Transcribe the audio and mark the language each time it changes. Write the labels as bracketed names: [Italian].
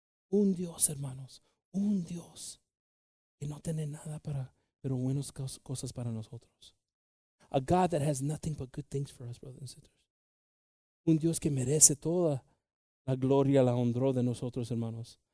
[Spanish] Un Dios, hermanos, un Dios, que no tiene nada para, pero buenas cosas para nosotros. [English] A God that has nothing but good things for us, brothers and sisters. [Spanish] Un Dios que merece toda la gloria, la honra de nosotros, hermanos.